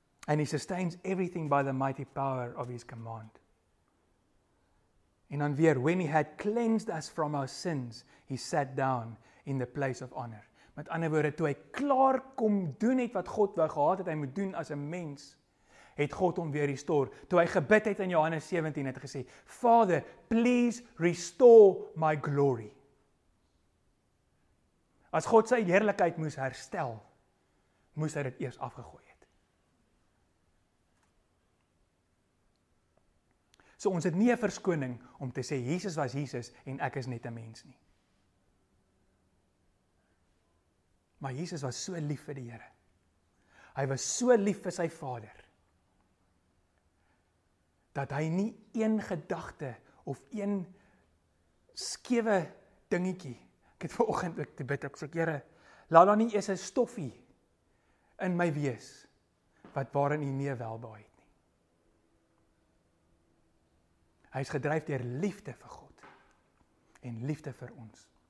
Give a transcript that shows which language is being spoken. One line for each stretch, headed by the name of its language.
English: And he sustains everything by the mighty power of his command.
Afrikaans: En dan weer,
English: when he had cleansed us from our sins, he sat down in the place of honor.
Afrikaans: Met ander woorde, toe hy klaar kom doen het wat God wou gehad het, hy moet doen as 'n mens, het God hom weer restore. Toe hy gebid het in Johannes 17, het gesê,
English: Father, please restore my glory.
Afrikaans: As God sy heerlikheid moes herstel, moes hy dit eers afgegooi. So ons het nie 'n verskoning om te sê Jesus was Jesus en ek is net 'n mens nie. Maar Jesus was so lief vir die Here. Hy was so lief vir sy Vader. Dat hy nie een gedagte of een skewe dingetjie. Ek het vanoggend ook te bid, ek sê Here, laat daar nie eens 'n stoffie in my wees wat waarin U nie welbehaag. Hy is gedryf deur liefde vir God en liefde vir ons.